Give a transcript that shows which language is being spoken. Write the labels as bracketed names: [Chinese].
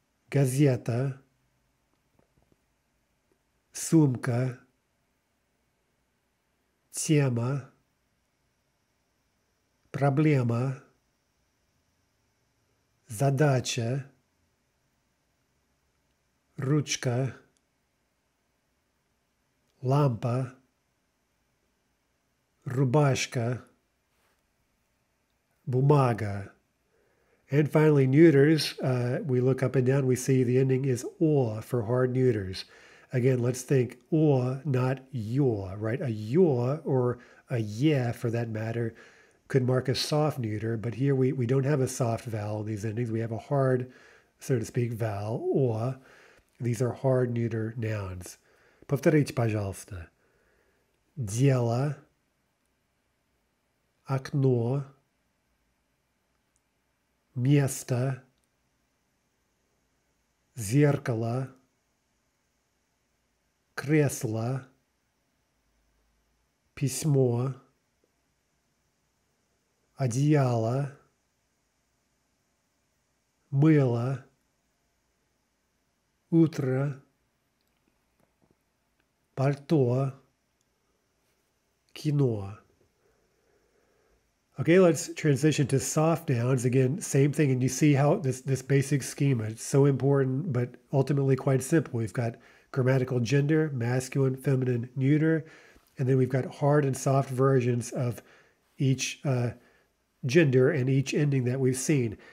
[Russian] газета, сумка, тема, проблема, задача, ручка, лампа, рубашка, бумага. [English] And finally, neuters. We look up and down. We see the ending is о for hard neuters. Again, let's think о, not ё, right? A ё or a ye, for that matter, could mark a soft neuter. But here we don't have a soft vowel in these endings. We have a hard, so to speak, vowel, о. These are hard neuter nouns. [Russian] Повторите, пожалуйста. Дело. Окно, место, зеркало, кресло, письмо, одеяло, мыло, утро, пальто, кино. [English] Okay, let's transition to soft nouns. Again, same thing, and you see how this basic schema is so important, but ultimately quite simple. We've got grammatical gender, masculine, feminine, neuter, and then we've got hard and soft versions of each gender and each ending that we've seen.